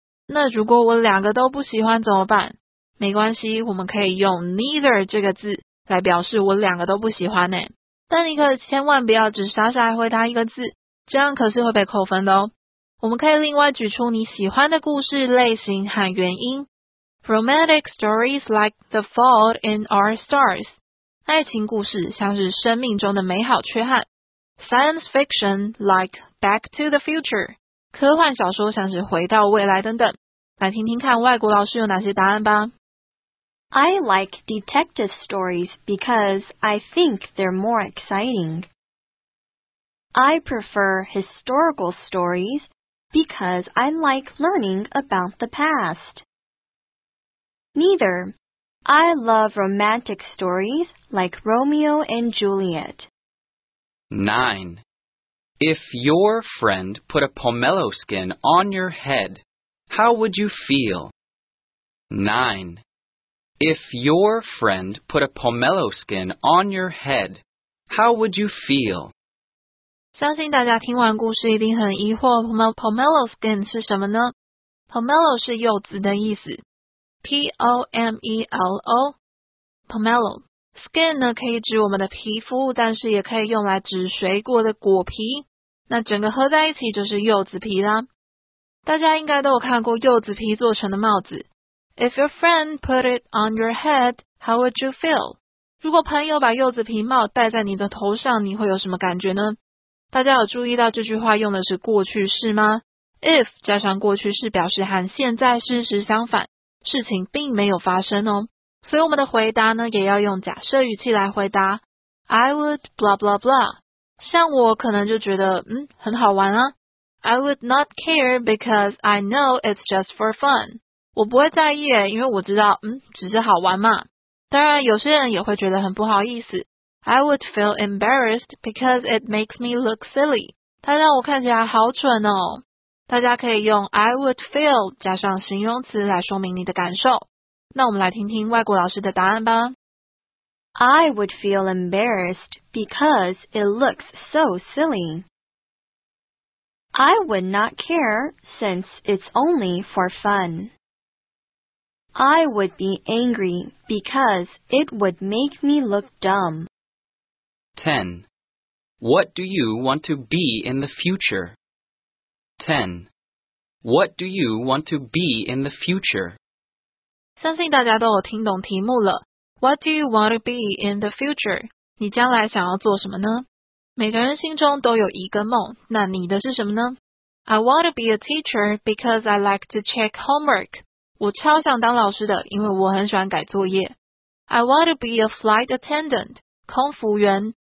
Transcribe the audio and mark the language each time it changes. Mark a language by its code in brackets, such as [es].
[zh] 那如果我两个都不喜欢怎么办？没关系，我们可以用 neither 这个字来表示我两个都不喜欢。但你可千万不要只傻傻回答一个字，这样可是会被扣分的哦。我们可以另外举出你喜欢的故事类型和原因。 [en] Romantic stories like The Fault in Our Stars. [zh] 爱情故事像是生命中的美好缺憾。 [en] Science fiction like Back to the Future， [zh] 科幻小说像是回到未来等等。来听听看外国老师有哪些答案吧。 [en] I like detective stories because I think they're more exciting. I prefer historical stories because I like learning about the past. Neither. I love romantic stories like Romeo and Juliet. 9. If your friend put a pomelo skin on your head, how would you feel? 9. If your friend put a pomelo skin on your head, how would you feel? [zh] 相信大家听完故事一定很疑惑 pomelo skin 是什么呢？ Pomelo 是柚子的意思。P-O-M-E-L-O Pomelo。 Skin 呢可以指我们的皮肤，但是也可以用来指水果的果皮，那整个合在一起就是柚子皮啦。大家应该都有看过柚子皮做成的帽子。 [en] If your friend put it on your head, how would you feel? [zh] 如果朋友把柚子皮帽戴在你的头上，你会有什么感觉呢？大家有注意到这句话用的是过去式吗？If 加上过去式表示和现在事实相反，事情并没有发生哦，所以我们的回答呢也要用假设语气来回答。 [en] I would blah blah blah， [zh] 像我可能就觉得很好玩啊。 [en] I would not care because I know it's just for fun， [zh] 我不会在意耶，因为我知道只是好玩嘛。当然有些人也会觉得很不好意思。 [en] I would feel embarrassed because it makes me look silly， [zh] 它让我看起来好蠢哦。大家可以用 I would feel 加上形容词来说明你的感受。那我们来听听外国老师的答案吧。 [en] I would feel embarrassed because it looks so silly. I would not care since it's only for fun. I would be angry because it would make me look dumb. 10. What do you want to be in the future? 10. What do you want to be in the future? [zh] 相信大家都有听懂题目了。 [en] What do you want to be in the future? [zh] 你将来想要做什么呢？每个人心中都有一个梦，那你的是什么呢？ [en] I want to be a teacher because I like to check homework. [zh] 我超想当老师的，因为我很喜欢改作业。 [en] I want to be a flight attendant, [zh] 空服员